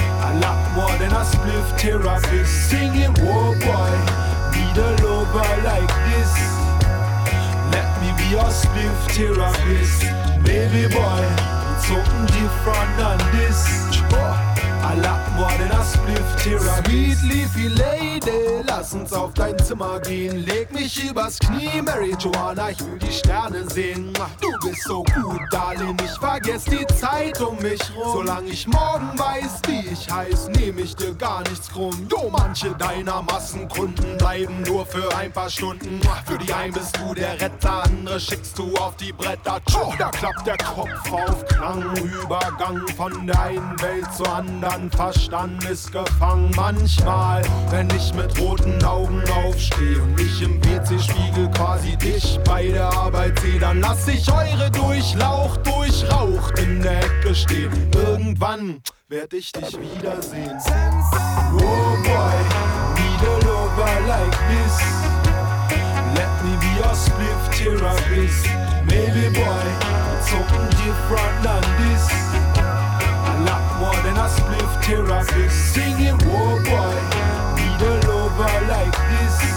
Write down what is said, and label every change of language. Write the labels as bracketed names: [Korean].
[English] A lot more than a spliff therapist. Singing, oh boy, need a lover like this. Let me be your spliff therapist. Maybe boy, it's something different than this. A lot more than a spliff therapist. Sweet leafy lady, [German] lass uns auf dein Zimmer gehen. Leg mich übers Knie, Mary Joanna, ich will die Sterne sehen. Du bist so gut, Darling, ich vergess die Zeit um mich rum. Solang ich morgen weiß, wie ich heiß, nehm ich dir gar nichts krumm. Jo, manche deiner Massenkunden bleiben nur für ein paar Stunden. Für die einen bist du der Retter, andere schickst du auf die Bretter. Tschu, da klappt der Kopf auf Klang, Übergang von der einen Welt zur anderen. Dann Verstand ist gefangen. Manchmal, wenn ich mit roten Augen aufstehe und mich im WC-Spiegel quasi dich bei der Arbeit sehe, dann lass ich eure Durchlauch durchraucht in der Ecke stehen. Irgendwann werd ich dich wiedersehen. [English] Oh boy, need a lover like this. Let me be your spliff therapist. Maybe boy, it's something different than this. A spliff therapist singing, oh boy, need a lover like this.